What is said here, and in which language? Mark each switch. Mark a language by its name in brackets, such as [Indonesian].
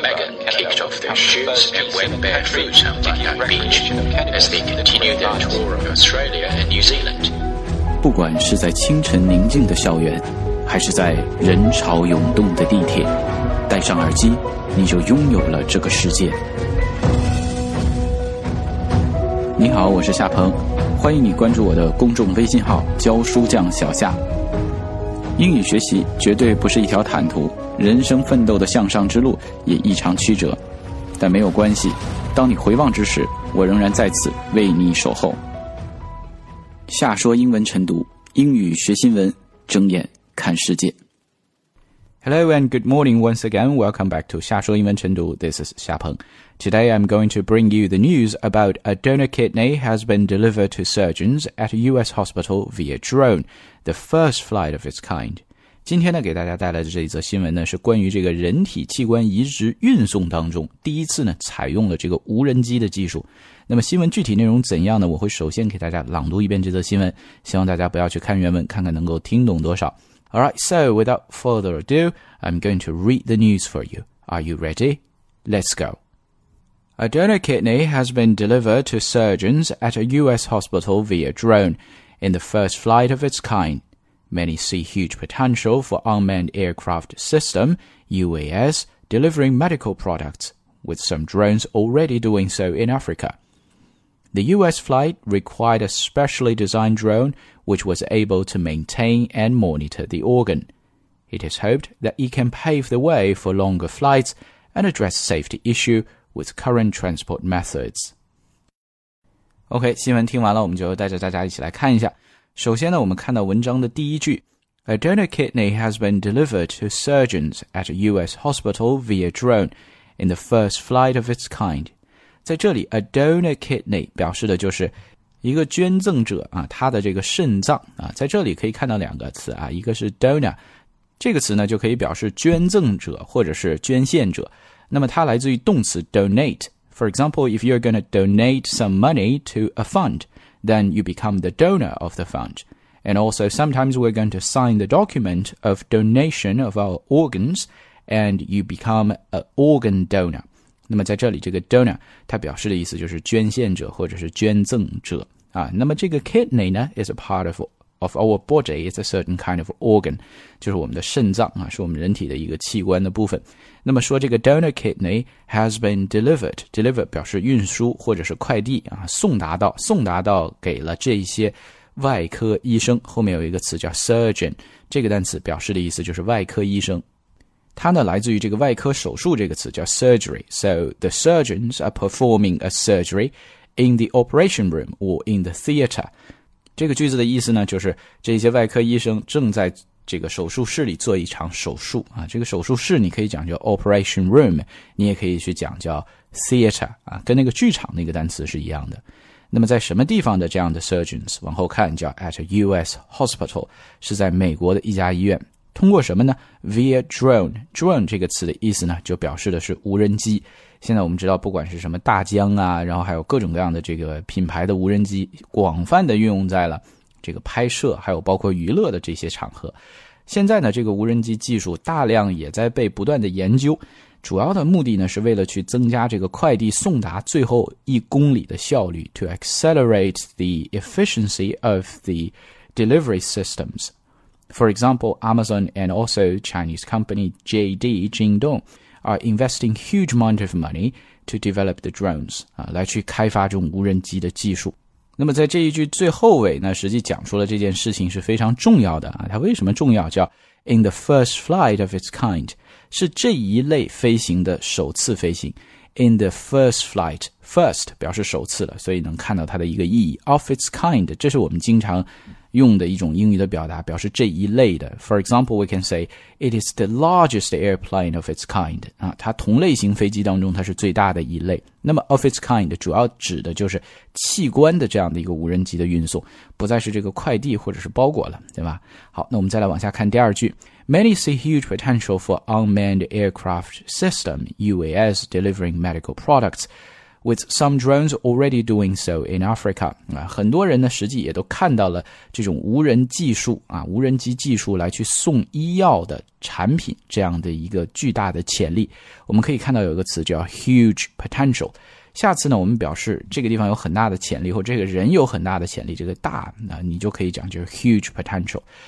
[English] Megan kicked off their shoes and went barefoot on Bondi Beach as they continued their tour of Australia and New Zealand. [Chinese] 不管是在清晨宁静的校园，还是在人潮涌动的地铁，戴上耳机，你就拥有了这个世界。你好，我是夏鹏，欢迎你关注我的公众微信号教书匠小夏。英语学习绝对不是一条坦途，人生奋斗的向上之路也异常曲折，但没有关系，当你回望之时，我仍然在此为你守候。夏说英文晨读，英语学新闻，睁眼看世界。 [English] Hello and good morning once again. Welcome back to 夏说英文晨读。This is 夏鹏。 Today I'm going to bring you the news about a donor kidney has been delivered to surgeons at a US hospital via drone, the first flight of its kind. [Chinese] 今天呢给大家带来的这一则新闻呢是关于这个人体器官移植运送当中第一次呢采用了这个无人机的技术。那么新闻具体内容怎样呢，我会首先给大家朗读一遍这则新闻，希望大家不要去看原文，看看能够听懂多少。 [English] Alright, so without further ado, I'm going to read the news for you. Are you ready? Let's go. A donor kidney has been delivered to surgeons at a US hospital via drone, in the first flight of its kind. Many see huge potential for unmanned aircraft system, UAS, delivering medical products, with some drones already doing so in Africa. The US flight required a specially designed drone,which was able to maintain and monitor the organ. It is hoped that it can pave the way for longer flights and address safety issue with current transport methods. [Chinese] OK, 新闻听完了，我们就带着大家一起来看一下。首先呢，我们看到文章的第一句， [English] A donor kidney has been delivered to surgeons at a US hospital via drone in the first flight of its kind. [Chinese] 在这里 , a donor kidney 表示的就是一个捐赠者啊，他的这个肾脏啊，在这里可以看到两个词啊，一个是 donor， 这个词呢就可以表示捐赠者或者是捐献者。那么它来自于动词 donate。 [English] For example, if you're going to donate some money to a fund, then you become the donor of the fund. And also, sometimes we're going to sign the document of donation of our organs, and you become an organ donor. [Chinese] 那么在这里这个 donor 它表示的意思就是捐献者或者是捐赠者啊。那么这个 kidney 呢 [English] is a part of our body, it's a certain kind of organ, [Chinese] 就是我们的肾脏啊，是我们人体的一个器官的部分。那么说这个 [English] donor kidney has been delivered, [Chinese] deliver 表示运输或者是快递啊，送达到给了这些外科医生，后面有一个词叫 surgeon, 这个单词表示的意思就是外科医生。它呢来自于这个外科手术这个词叫 surgery. [English] So the surgeons are performing a surgery in the operation room or in the theater. [Chinese] 这个句子的意思呢就是这些外科医生正在这个手术室里做一场手术啊。这个手术室你可以讲叫 [English] operation room, [Chinese] 你也可以去讲叫 theater, 啊，跟那个剧场那个单词是一样的。那么在什么地方的这样的 surgeons, 往后看叫 [English] at a US hospital, [Chinese] 是在美国的一家医院。通过什么呢 ? [English] via drone。 [Chinese] drone 这个词的意思呢就表示的是无人机。现在我们知道不管是什么大疆啊，然后还有各种各样的这个品牌的无人机广泛的运用在了这个拍摄还有包括娱乐的这些场合。现在呢这个无人机技术大量也在被不断的研究。主要的目的呢是为了去增加这个快递送达最后一公里的效率 , [English] to accelerate the efficiency of the delivery systems. For example, Amazon and also Chinese company JD, Jingdong, are investing huge amount of money to develop the drones, [Chinese] 来去开发这种无人机的技术。那么在这一句最后尾呢，实际讲述了这件事情是非常重要的，它为什么重要？叫 [English] in the first flight of its kind, [Chinese] 是这一类飞行的首次飞行。 [English] In the first flight, [Chinese] first 表示首次的，所以能看到它的一个意义。 [English] Of its kind, [Chinese] 这是我们经常用的一种英语的表达，表示这一类的。 [English] For example, we can say, it is the largest airplane of its kind. [Chinese] 啊，它同类型飞机当中它是最大的一类。那么 [English] of its kind [Chinese] 主要指的就是器官的这样的一个无人机的运送，不再是这个快递或者是包裹了，对吧？好，那我们再来往下看第二句。 [English] Many see huge potential for unmanned aircraft system, UAS, delivering medical products, with some drones already doing so in Africa. [Chinese] 很多人呢实际也都看到了这种无人技术啊，无人机技术来去送医药的产品这样的一个巨大的潜力。我们可以看到有一个词叫 [English] huge potential。 [Chinese] 下次呢我们表示这个地方有很大的潜力或这个人有很大的潜力，这个大那你就可以讲就是 huge potential。